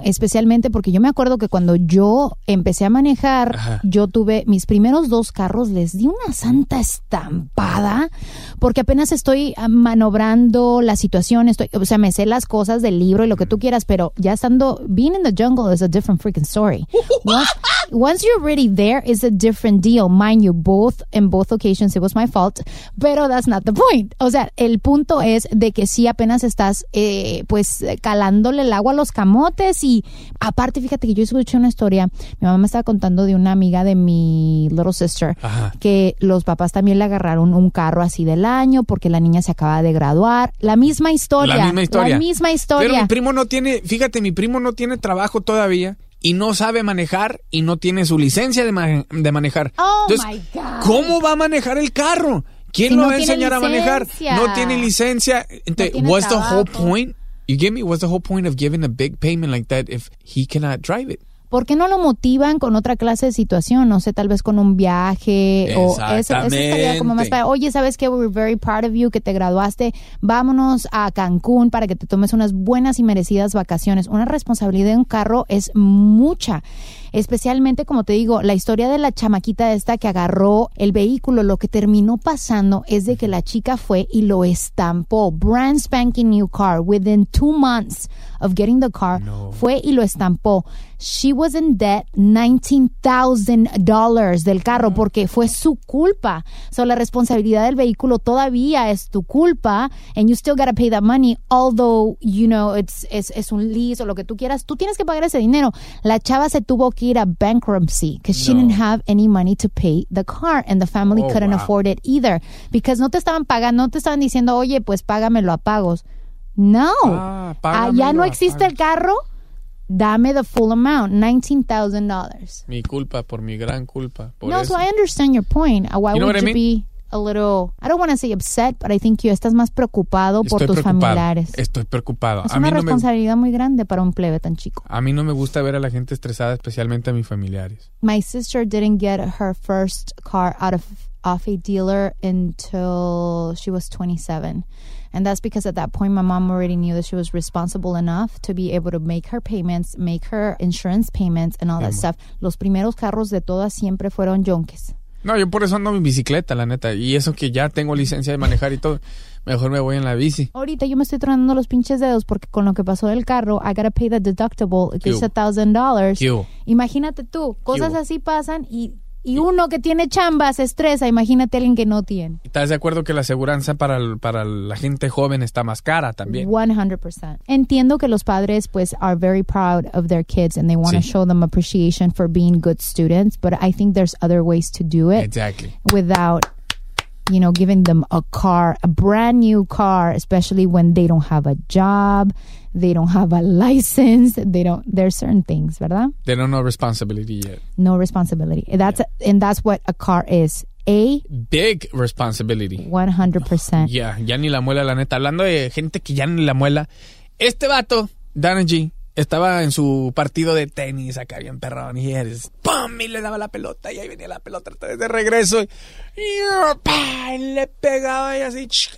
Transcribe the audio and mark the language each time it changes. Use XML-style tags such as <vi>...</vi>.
<es>Especialmente porque yo me acuerdo que cuando yo empecé a manejar, yo tuve mis primeros dos carros, les di una santa estampada, porque apenas estoy manobrando la situación, o sea, me sé las cosas del libro y lo que tú quieras, pero ya estando,</es> <en>being in the jungle is a different freaking story. Once you're already there, it's a different deal. Mind you, in both occasions, it was my fault,</en> <es>pero</es> <en>that's not the point.</en> <es>O sea, el punto es de que sí, apenas estás, pues, calándole el agua a los camotes. Y aparte, fíjate que yo escuché una historia. Mi mamá me estaba contando de una amiga de mi</es> <en>little sister.</en> <es>Ajá. Que los papás también le agarraron un carro así del año porque la niña se acaba de graduar. La misma historia. La misma historia. La misma historia. Pero mi primo no tiene trabajo todavía y no sabe manejar y no tiene su licencia de manejar.</es> <en>Oh,</en> <es>entonces,</es> <en>my God.</en> <es>¿Cómo va a manejar el carro? ¿Quién lo va a enseñar a manejar? No tiene licencia. Entonces, no tiene what's trabajo.</es> <en>The whole point? You get me? What's the whole point of giving a big payment like that if he cannot drive it?</en> <es>¿Por qué no lo motivan con otra clase de situación? No sé, tal vez con un viaje. Exactamente. O eso estaría como más para, oye, ¿sabes qué?</es> <en>We're very proud of you,</en> <es>que te graduaste. Vámonos a Cancún para que te tomes unas buenas y merecidas vacaciones. Una responsabilidad de un carro es mucha. Especialmente, como te digo, la historia de la chamaquita esta que agarró el vehículo, lo que terminó pasando es de que la chica fue y lo estampó.</es> <en>Brand spanking new car within 2 months of getting the car.</en> <es>No. Fue y lo estampó.</es> <en>She was in debt $19,000</en> <es>del carro porque fue su culpa. So, la responsabilidad del vehículo todavía es tu culpa,</es> <en>and you still gotta pay that money, although, you know, it's</en> <es>un lease o lo que tú quieras. Tú tienes que pagar ese dinero. La chava se tuvo que ir a</es> <en>bankruptcy because she didn't have any money to pay the car, and the family couldn't afford it either because</en> <es>no te estaban pagando, no te estaban diciendo, oye, pues págamelo a pagos. No. Ya no existe el carro. Dame</es> <en>the full amount,</en> <es>$19,000. Mi culpa, por mi gran culpa. No, eso.</es> <en>So I understand your point. Why you would you be a little, I don't want to say upset, but I think you</en> <es>estás más preocupado por tus familiares. Estoy preocupado. Es una responsabilidad muy grande para un plebe tan chico. A mí no me gusta ver a la gente estresada, especialmente a mis familiares.</es> <en>My sister didn't get her first car off a dealer until she was 27. And that's because at that point, my mom already knew that she was responsible enough to be able to make her payments, make her insurance payments, and all that stuff.</en> <es>Los primeros carros de todas siempre fueron yonkes. No, yo por eso ando en bicicleta, la neta. Y eso que ya tengo licencia de manejar y todo. Mejor me voy en la bici. Ahorita yo me estoy tronando los pinches dedos porque con lo que pasó del carro,</es> <en>I gotta pay the deductible,</en> <es>que es $1,000. Imagínate tú, cosas así pasan y uno que tiene chamba se estresa. Imagínate alguien que no tiene. ¿Estás de acuerdo que la aseguranza para la gente joven está más cara también? 100%. Entiendo que los padres, pues,</es> <en>are very proud of their kids and they want to show them appreciation for being good students, but I think there's other ways to do it. Exactly. Without, you know, giving them a car, a brand new car, especially when they don't have a job, they don't have a license, they don't, there's certain things,</en> <es>¿verdad?</es> <en>They don't know responsibility yet. No responsibility. That's and that's what a car is. A big responsibility. 100%.</en> <es>Yeah, ya ni la muela, la neta. Hablando de gente que ya ni la muela, este vato, Danny G, estaba en su partido de tenis acá bien perrón y eres pum y le daba la pelota y ahí venía la pelota de regreso y le pegaba y así</es>